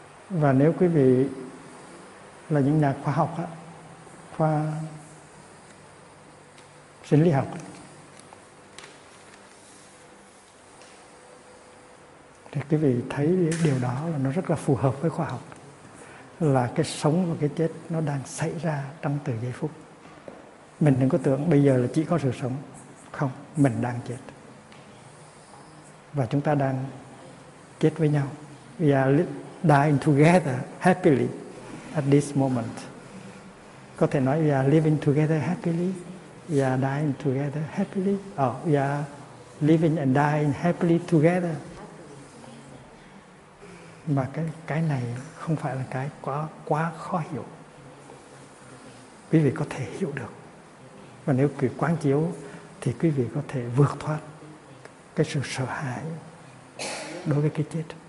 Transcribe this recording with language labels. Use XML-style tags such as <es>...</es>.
<vi>Và nếu quý vị là những nhà khoa học, khoa sinh lý học, thì quý vị thấy điều đó là nó rất là phù hợp với khoa học. Là cái sống và cái chết nó đang xảy ra trong từ giây phút. Mình đừng có tưởng bây giờ là chỉ có sự sống. Không, mình đang chết. Và chúng ta đang chết với nhau.</vi> <en>We are dying together happily at this moment.</en> <vi>Có thể nói</vi> <en>we are living together happily. We are dying together happily. We are living and dying happily together.</en> <vi>Mà cái này không phải là cái quá khó hiểu. Quý vị có thể hiểu được. Và nếu quý vị quán chiếu thì quý vị có thể vượt thoát cái sự sợ hãi đối với cái chết.</vi>